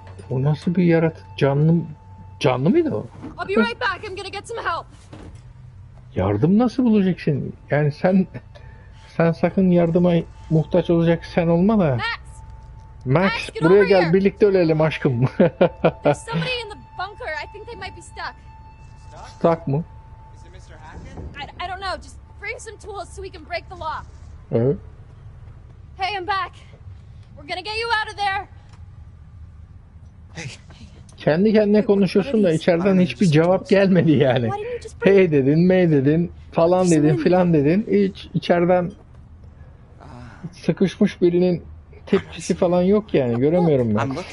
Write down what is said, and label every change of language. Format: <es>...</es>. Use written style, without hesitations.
<tr>O nasıl bir yaratık? Canlı mı? Canlı mıydı o?</tr> <en>I'll be right back. I'm gonna get some help.</en> <tr>Yardım nasıl bulacaksın? Yani sen sakın yardıma muhtaç olacak sen olma da. Max buraya gel, birlikte ölelim aşkım.</tr> <en>There's somebody in the bunker. I think they might be stuck.</en> <tr>Stuck mı?</tr> <en>Is it Mr. Hacken? I don't know. Just bring some tools so we can break the lock.</en> <tr>Evet.</tr> <en>Hey, I'm back. We're gonna get you out of there. Hey.</en> <tr>Kendi kendine konuşuyorsun da içeriden hiçbir cevap gelmedi yani. Hey dedin, mey dedin, falan dedin, filan dedin. Hiç içeriden sıkışmış birinin tepkisi falan yok yani. Göremiyorum ben.</tr>